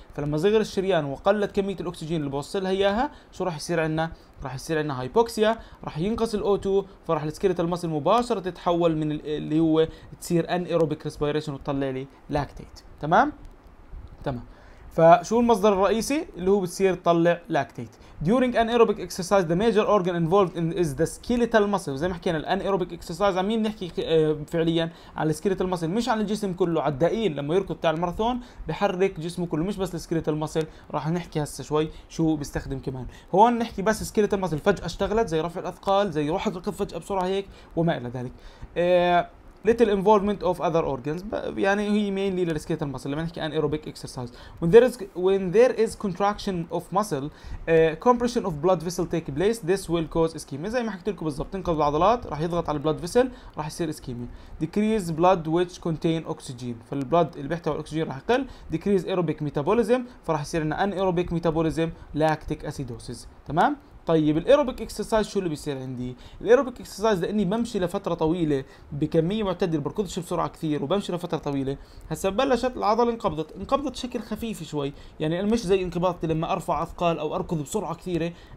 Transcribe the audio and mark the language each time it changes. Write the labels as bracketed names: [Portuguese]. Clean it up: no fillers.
[Arabic] فلما صغر الشريان وقلت كميه الاكسجين اللي بوصلها اياها شو راح يصير عندنا؟ راح يصير عندنا هايبوكسيا، راح ينقص الاو 2، فراح السكيلت المسل مباشره تتحول من اللي هو تصير ان ايروبيك ريسبيريشن وتطلع لي لاكتيت تمام. فشو المصدر الرئيسي اللي هو بتصير تطلع لاكتيت. [English] During anaerobic exercise the major organ involved in is the skeletal muscle. [Arabic] زي ما حكينا الانيروبيك اكسرسايز عن مين بنحكي فعليا؟ على السكيلتال ماسل مش على الجسم كله، على الدائين لما يركض بتاع الماراثون بحرك جسمه كله مش بس السكيلتال ماسل. راح نحكي هسه شوي شو بيستخدم كمان. هون نحكي بس السكيلتال ماسل فجأة اشتغلت زي رفع الاثقال، زي روح ركض فجأة بسرعة هيك وما الى ذلك. [English] Little involvement of other organs [Arabic] يعني هي [English] mainly للسكيلتال muscle [Arabic] لما نحكي [English] anaerobic exercise. When there is contraction of muscle compression of blood vessel take place this will cause ischemia. [Arabic] زي ما حكيت لكم بالضبط تنقض العضلات راح يضغط على blood vessel راح يصير ischemia. [English] Decrease blood which contain oxygen [Arabic] فالblood اللي بيحتوي الاكسجين راح يقل. [English] Decrease aerobic metabolism [Arabic] فراح يصير لنا [English] anaerobic metabolism lactic acidosis. [Arabic] تمام؟ طيب الايروبيك اكسرسايز شو اللي بيصير عندي؟ الايروبيك اكسرسايز لاني بمشي لفتره طويله بكميه معتدله بركضش بسرعه كثير وبمشي لفتره طويله، هسا بلشت العضله انقبضت بشكل خفيف شوي، يعني انا مش زي انقباضتي لما ارفع اثقال او اركض بسرعه كثيره،